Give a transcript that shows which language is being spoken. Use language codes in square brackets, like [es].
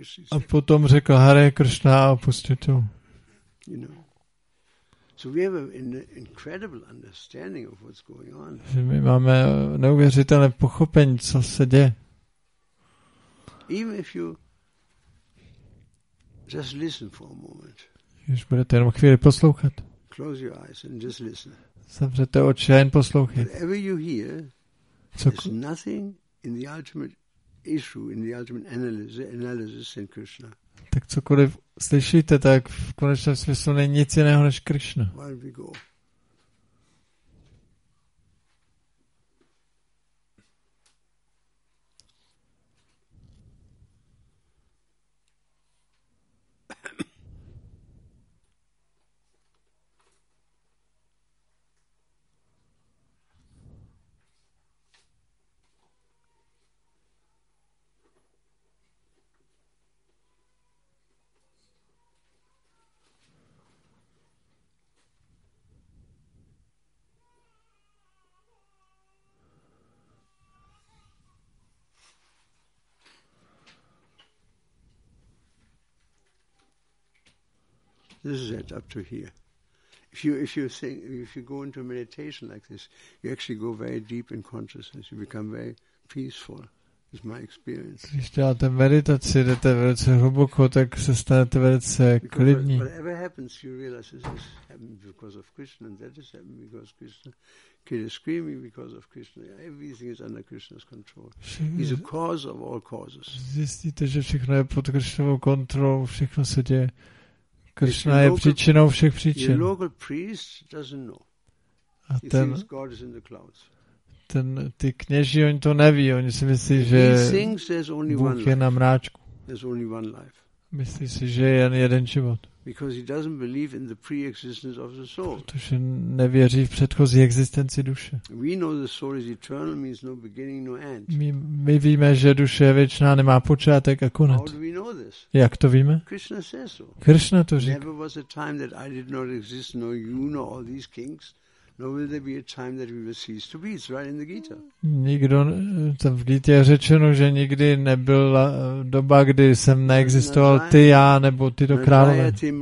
[cs] A potom řekl Hare Krishna a opustil to. [en] You know. So we have an incredible understanding of what's going on. [cs] My máme neuvěřitelné pochopení, co se děje. [en] Even if you just listen for a moment. [cs] Když budete jenom chvíli poslouchat. [en] Close your eyes and just listen. [cs] Zavřete oči a jen poslouchejte. [en] Whatever you hear, there's nothing in the ultimate issue, in the ultimate analysis in Krishna. [cs] Tak cokoliv slyšíte, tak v konečném smyslu není nic jiného než Krishna. [en] Where we go? This is it up to here. If you go into meditation like this, you actually go very deep in consciousness. You become very peaceful. It's my experience. [cs] Když děláte meditaci, jdete velice hluboko, tak se stanete velice klidní. [en] Whatever happens, you realize this is happening because of Krishna, and that is happening because Krishna. Kid is screaming because of Krishna. Everything is under Krishna's control. He's the cause of all causes. [cs] Zjistíte, že všechno je pod Krishnovou kontrolou, všechno se děje. Krishna je příčinou všech příčin. [en] The local priest doesn't know. He thinks God is in the clouds. [cs] Ty kněží, oni to neví, oni si myslí, že Bůh je na mráčku. [en] There's only one life. [cs] Myslí si, že je jen jeden život. [en] Because he doesn't believe in the pre-existence of the soul. [cs] Protože nevěří v předchozí existenci duše. [en] We know the soul is eternal, means no beginning, no end. [cs] My víme, že duše je věčná, nemá počátek a konec. [en] How do we know this? [cs] Jak to víme? [en] Krishna says so. [cs] Krishna to říká. [en] Never was a time that I did not exist, nor you, nor all these kings. Nor will there be a time that we will cease to be. It's right in the Gita. [cs] Nikdo, tam v Gita je řečeno, že nikdy nebyla doba, kdy jsem neexistoval ty, já, nebo tyto králové.